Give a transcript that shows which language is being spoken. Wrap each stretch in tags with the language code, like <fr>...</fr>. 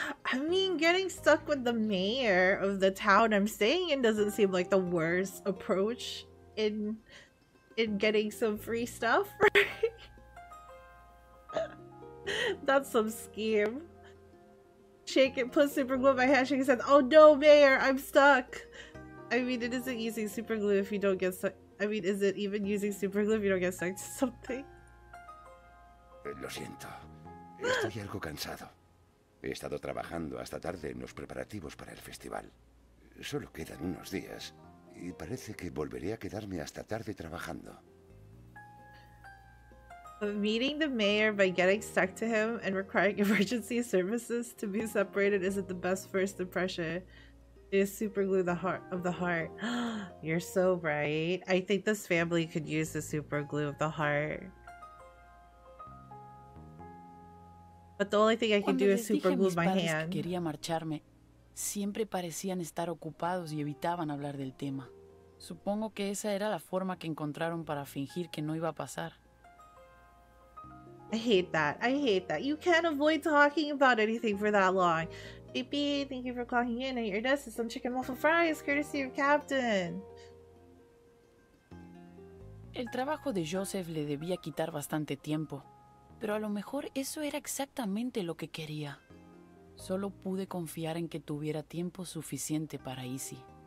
<en>I mean, getting stuck with the mayor of the town I'm staying in doesn't seem like the worst approach in getting some free stuff, right? That's some scheme. Shake it, put super glue in my hand, shake it, says, oh no, mayor, I'm stuck. I mean, it isn't using super glue if you don't get stuck. I mean, is it even using super glue if you don't get stuck to something?</en> <es>Lo siento. Estoy algo cansado. He estado trabajando hasta tarde en los preparativos para el festival. Solo quedan unos días y parece que volveré a quedarme hasta tarde trabajando.</es> <en>Meeting the mayor by getting stuck to him and requiring emergency services to be separated isn't the best first impression. Is super glue the heart of the heart? You're so right. I think this family could use the super glue of the heart. But the only thing I can do is super glue my hand.</en> <es>Cuando les dije que quería marcharme, siempre parecían estar ocupados y evitaban hablar del tema. Supongo que esa era la forma que encontraron para fingir que no iba a pasar.</es> <en>I hate that. You can't avoid talking about anything for that long. Baby, thank you for clocking in at your desk and some chicken waffle fries, courtesy of Captain.</en> <es>El trabajo de Joseph le debía quitar bastante tiempo, pero a lo mejor eso era exactamente lo que quería. Solo pude confiar en que tuviera tiempo suficiente para Izzy.</es>